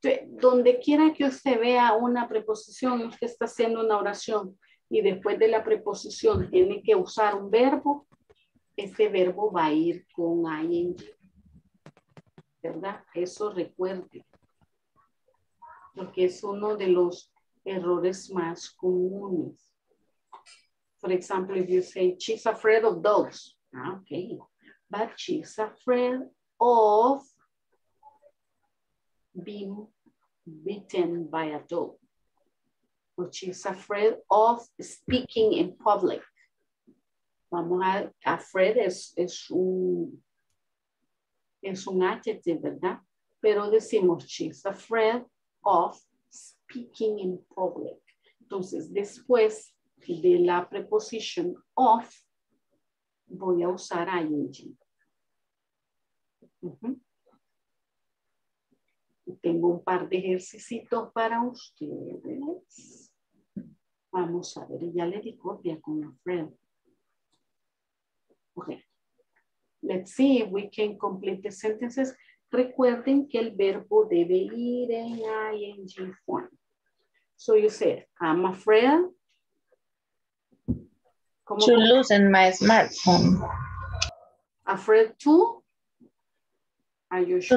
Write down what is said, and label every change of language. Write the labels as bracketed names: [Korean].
[Spanish] Donde quiera que usted vea una preposición, usted está haciendo una oración y después de la preposición tiene que usar un verbo, ese verbo va a ir con ing. ¿Verdad? Eso recuerde. Porque es uno de los errores más comunes. [English] For example, if you say, she's afraid of dogs. Okay. But she's afraid of being bitten by a dog. Or she's afraid of speaking in public. [Spanish] Afraid es un adjective, ¿verdad? Pero decimos, [English] she's afraid of speaking in public. [Spanish] Entonces, después de la preposición of, voy a usar ing. Tengo un par de ejercicios para ustedes. Vamos a ver, ya le di copia con la friend. [English] Okay. Let's see if we can complete the sentences. [Spanish] Recuerden que el verbo debe ir en ing form. [English] So you say, I'm afraid to lose my smartphone. Afraid to? Are you sure?